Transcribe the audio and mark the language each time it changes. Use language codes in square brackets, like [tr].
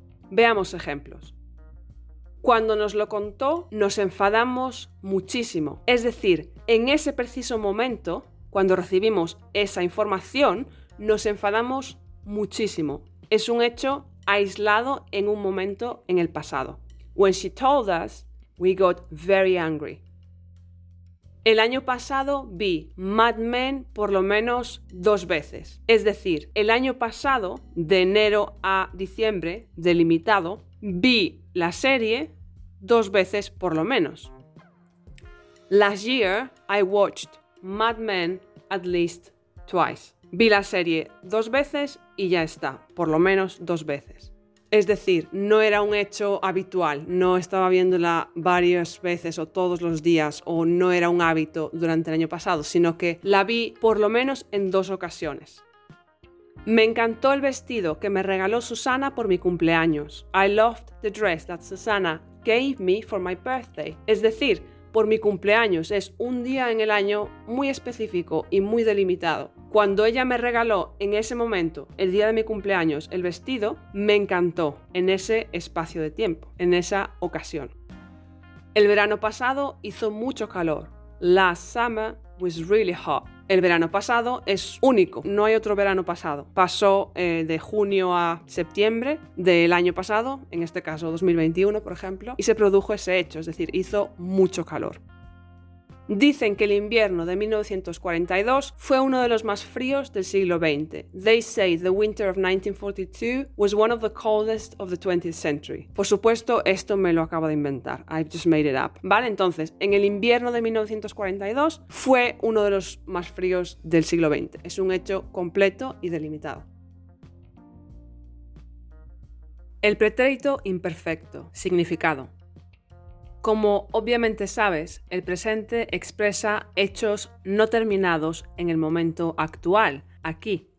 [es] Veamos ejemplos. Cuando nos lo contó, nos enfadamos muchísimo. Es decir, en ese preciso momento, cuando recibimos esa información, nos enfadamos muchísimo. Es un hecho aislado en un momento en el pasado. [en] When she told us, we got very angry. [es] El año pasado vi Mad Men por lo menos dos veces. Es decir, el año pasado, de enero a diciembre, delimitado, vi la serie dos veces por lo menos. [en] Last year I watched Mad Men at least twice. [es] Vi la serie dos veces y ya está, por lo menos dos veces. Es decir, no era un hecho habitual, no estaba viéndola varias veces o todos los días o no era un hábito durante el año pasado, sino que la vi por lo menos en dos ocasiones. Me encantó el vestido que me regaló Susana por mi cumpleaños. [en] I loved the dress that Susana gave me for my birthday. [es] Es decir, por mi cumpleaños, es un día en el año muy específico y muy delimitado. Cuando ella me regaló en ese momento, el día de mi cumpleaños, el vestido, me encantó en ese espacio de tiempo, en esa ocasión. El verano pasado hizo mucho calor. [en] Last summer was really hot. [es] El verano pasado es único, no hay otro verano pasado. Pasó de junio a septiembre del año pasado, en este caso 2021, por ejemplo, y se produjo ese hecho, es decir, hizo mucho calor. Dicen que el invierno de 1942 fue uno de los más fríos del siglo XX. [en] They say the winter of 1942 was one of the coldest of the 20th century. [es] Por supuesto, esto me lo acabo de inventar. [en] I've just made it up. [es] Vale, entonces, en el invierno de 1942 fue uno de los más fríos del siglo XX. Es un hecho completo y delimitado. El pretérito imperfecto. Significado. Como obviamente sabes, el presente expresa hechos no terminados en el momento actual, aquí.